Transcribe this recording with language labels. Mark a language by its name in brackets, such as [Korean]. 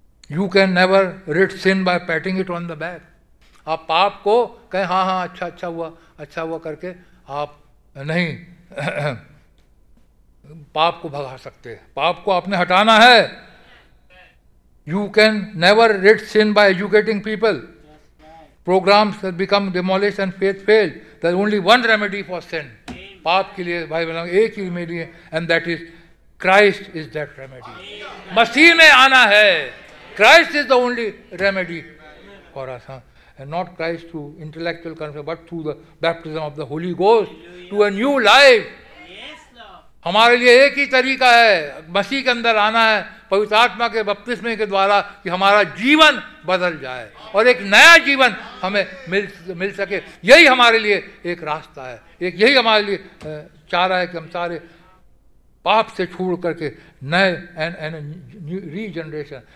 [English] You can never rid sin by patting it on the back. [Hindi] आप पाप को कहें हाँ हाँ अच्छा अच्छा हुआ अच्छा हुआ करके आप नहीं पाप को भगा सकते, पाप को आपने हटाना है। [English] you can never rid sin by educating people, programmes become demolish and faith fail, there only one remedy for sin, [Hindi] पाप के लिए भाई बहन एक ही रेमेडी है, [English] And that is Christ is that remedy. [Hindi] मसीह में आना है, [English] Christ is the only remedy for us, and not Christ through intellectual confession, but through the baptism of the Holy Ghost to a new life. [Hindi] हमारे लिए एक ही तरीका है, मसीह के अंदर आना है पवित्र आत्मा के बपतिस्मे के द्वारा, कि हमारा जीवन बदल जाए और एक नया जीवन हमें मिल सके। यही हमारे लिए एक रास्ता है, एक यही हमारे लिए चारा है कि हम सारे पाप से छोड़ करके नए [English] And regeneration.